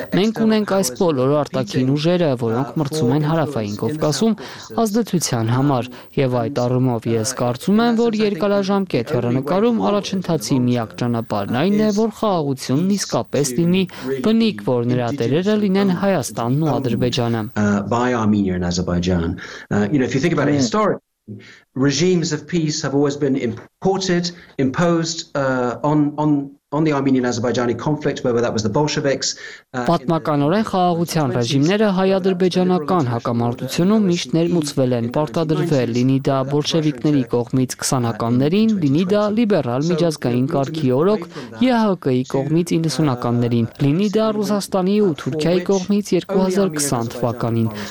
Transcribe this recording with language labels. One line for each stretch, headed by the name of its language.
Armenian: Մենք ունենք այս բոլոր արտաքին ուժերը, որոնք մրցում են հարավային Կովկասում ազդեցության համար, եւ այդ առումով ես կարծում եմ, որ երկարաժամկետ հեռանկարում առաջընթացի միակ ճանապարհն այն է, որ խաղաղությունն իսկ պես լինի բնիկ, որ նրա դերերը լինեն Հայաստանն ու Ադրբեջանը։
English: By Armenia and Azerbaijan. If you think about it historically, regimes of peace have always been imported, imposed on the Armenian-Azerbaijani conflict, whether that was the Bolsheviks.
Armenian: Պատմականորեն խաղաղության ռեժիմները հայ-ադրբեջանական հակամարտությունում միշտ ներմուծվել են, պարտադրվել, լինի դա բոլշևիկների կողմից 20-ականներին, լինի դա լիբերալ միջազգային կարգի օրոք ԵՀԿ-ի կողմից 90-ականներին, լինի դա Ռուսաստանի ու Թուրքիայի կողմից 2020 թվականին։